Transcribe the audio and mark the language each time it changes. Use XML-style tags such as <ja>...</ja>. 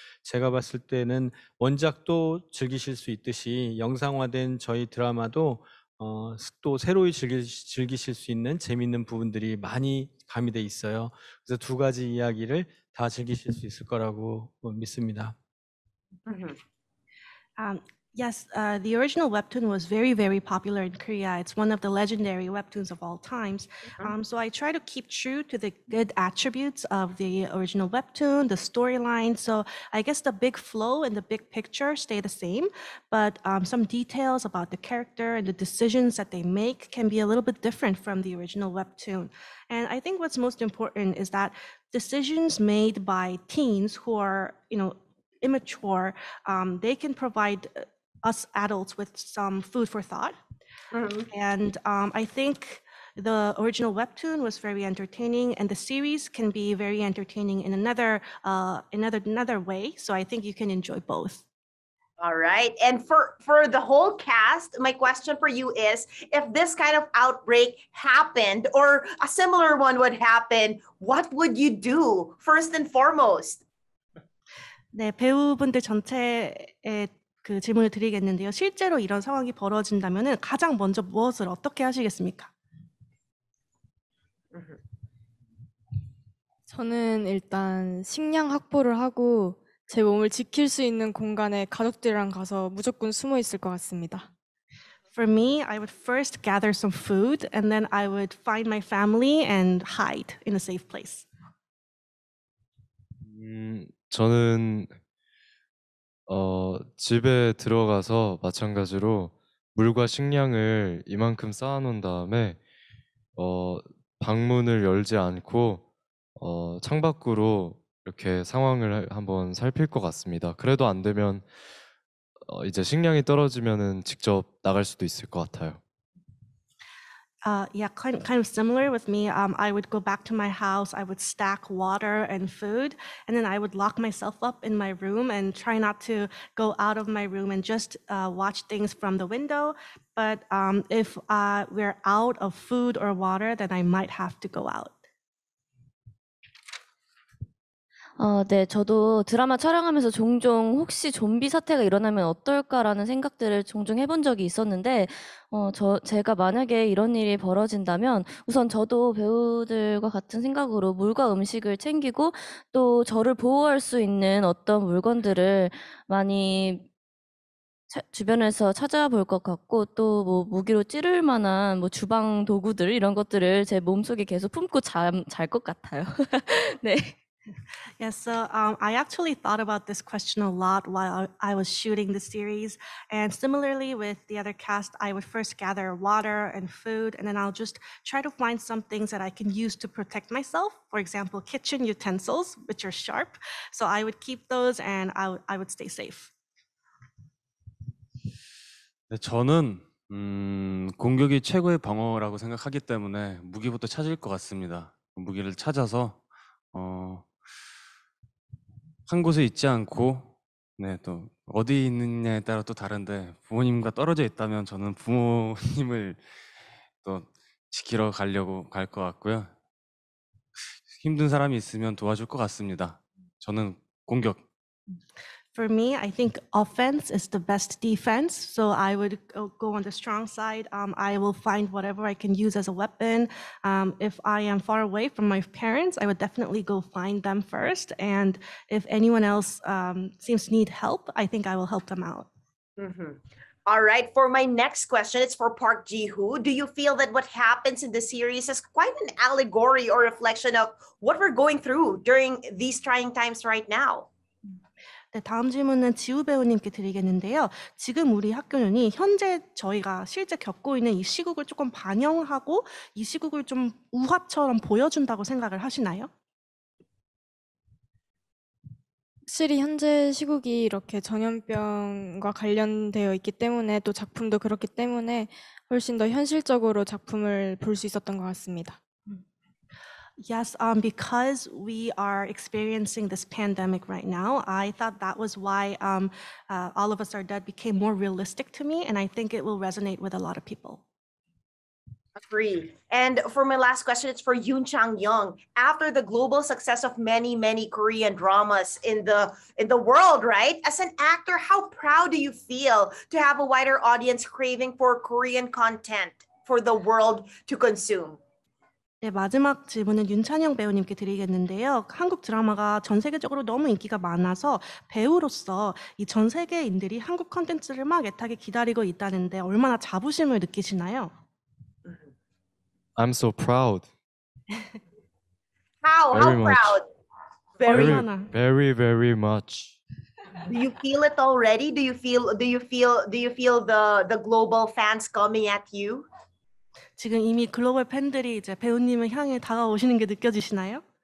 <ko>제가 봤을 때는 원작도 즐기실 수 있듯이 영상화된 저희 드라마도 또 새로이 즐기실 수 있는 재미있는 부분들이 많이 가미돼 있어요. 그래서 두 가지 이야기를 다 즐기실 수 있을 거라고 믿습니다.</ko> <en>Yes, the original webtoon was very, very popular in Korea. It's one of the legendary webtoons of all times. So I try to keep true to the good attributes of the original webtoon, the storyline. So I guess the big flow and the big picture stay the same, but some details about the character and the decisions that they make can be a little bit different from the original webtoon. And I think what's most important is that decisions made by teens who are, immature, they can provide us adults with some food for thought. And I think the original webtoon was very entertaining, and the series can be very entertaining in another way. So I think you can enjoy both. All right. And for the whole cast, my question for you is, if this kind of outbreak happened or a similar one would happen, what would you do first and foremost?</en> <ko>네, 배우분들 전체에 그 질문을 드리겠는데요. 실제로 이런 상황이 벌어진다면은 가장 먼저 무엇을 어떻게 하시겠습니까? 저는 일단 식량 확보를 하고 제 몸을 지킬 수 있는 공간에 가족들이랑 가서 무조건 숨어 있을 것 같습니다.</ko> <en>For me, I would first gather some food and then I would find my family and hide in a safe place.</en> <ko>저는 집에 들어가서 마찬가지로 물과 식량을 이만큼 쌓아놓은 다음에 방문을 열지 않고 창밖으로 이렇게 상황을 한번 살필 것 같습니다. 그래도 안 되면 이제 식량이 떨어지면은 직접 나갈 수도 있을 것 같아요.</ko> <en>Yeah, kind of similar with me. I would go back to my house. I would stack water and food, and then I would lock myself up in my room and try not to go out of my room and just watch things from the window. But if we're out of food or water, then I might have to go out.</en> <ko>네, 저도 드라마 촬영하면서 종종 혹시 좀비 사태가 일어나면 어떨까라는 생각들을 종종 해본 적이 있었는데, 제가 만약에 이런 일이 벌어진다면, 우선 저도 배우들과 같은 생각으로 물과 음식을 챙기고, 또 저를 보호할 수 있는 어떤 물건들을 많이 주변에서 찾아볼 것 같고, 또뭐 무기로 찌를 만한 뭐 주방 도구들, 이런 것들을 제 몸속에 계속 품고 잘것 같아요. 네.</ko> <en>Yes, so I actually thought about this question a lot while I was shooting the series. And similarly with the other cast, I would first gather water and food, and then I'll just try to find some things that I can use to protect myself. For example, kitchen utensils, which are sharp. So I would keep those and I would stay safe.</en> <ko>네, 저는 공격이 최고의 방어라고 생각하기 때문에 무기부터 찾을 것 같습니다. 무기를 찾아서 한 곳에 있지 않고 네, 또 어디 있느냐에 따라 또 다른데 부모님과 떨어져 있다면 저는 부모님을 또 지키러 가려고 갈것 같고요. 힘든 사람이 있으면 도와줄 것 같습니다. 저는 공격.</ko> <en>For me, I think offense is the best defense. So I would go on the strong side. I will find whatever I can use as a weapon. If I am far away from my parents, I would definitely go find them first. And if anyone else seems to need help, I think I will help them out. All right, for my next question, it's for Park Ji-hoo. Do you feel that what happens in the series is quite an allegory or reflection of what we're going through during these trying times right now?</en> <ko>네, 다음 질문은 지우 배우님께 드리겠는데요. 지금 우리 학교는이 현재 저희가 실제 겪고 있는 이 시국을 조금 반영하고 이 시국을 좀 우화처럼 보여준다고 생각을 하시나요? 확실히 현재 시국이 이렇게 전염병과 관련되어 있기 때문에 또 작품도 그렇기 때문에 훨씬 더 현실적으로 작품을 볼수 있었던 것 같습니다.</ko> <en>Yes, because we are experiencing this pandemic right now, I thought that was why All of Us Are Dead became more realistic to me, and I think it will resonate with a lot of people. Agree. And for my last question, it's for Yoon Chang-young. After the global success of many Korean dramas in the world, right? As an actor, how proud do you feel to have a wider audience craving for Korean content for the world to consume?</en> <ko>네, 마지막 질문은 윤찬영 배우님께 드리겠는데요. 한국 드라마가 전 세계적으로 너무 인기가 많아서 배우로서 이전 세계인들이 한국 콘텐츠를 막 애타게 기다리고 있다는데 얼마나 자부심을 느끼시나요?</ko> <en>I'm so proud. Very much. proud? Very, Very very, very much. Do you feel it already? Do you feel the global fans coming at you?</en> <ko>지금 이미 글로벌 팬들이 이제 배우님을 향해 다가오시는 게 느껴지시나요?</ko>